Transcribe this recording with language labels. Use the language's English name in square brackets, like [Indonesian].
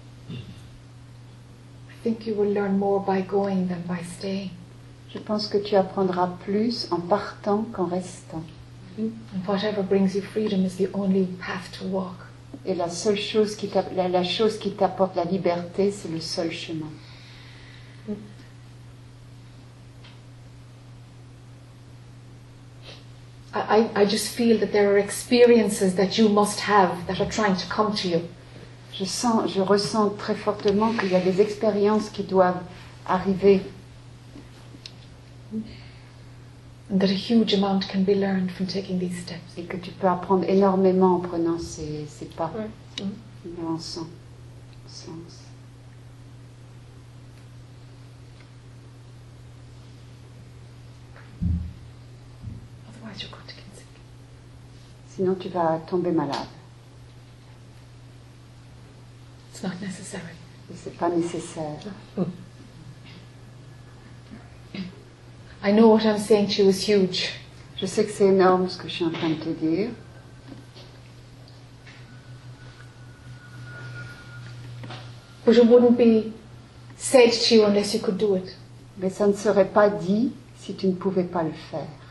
[English] I think you will learn more by going than by staying. [French] Je pense que tu apprendras plus en partant qu'en restant. [English] And whatever brings you freedom is the only path to walk. [French] Et la seule chose qui la chose qui t'apporte la liberté, c'est le seul chemin. [English] I just feel that there are experiences that you must have that are trying to come to you. [French] Je ressens très fortement qu'il y a des expériences qui doivent arriver. [English] And that a huge amount can be learned from taking these steps. [French] Et que tu peux apprendre énormément en prenant ces pas. Mm-hmm. En sens. [English] Otherwise you're going to get sick. [French] Sinon tu vas tomber malade. [English] Not necessary. [French] C'est pas nécessaire. [English] I know what I'm saying to you is huge. [French] Je sais que c'est énorme ce que je suis en train de te dire. [English] But it wouldn't be said to you unless you could do it. [French] Mais ça ne serait pas dit si tu ne pouvais pas le faire.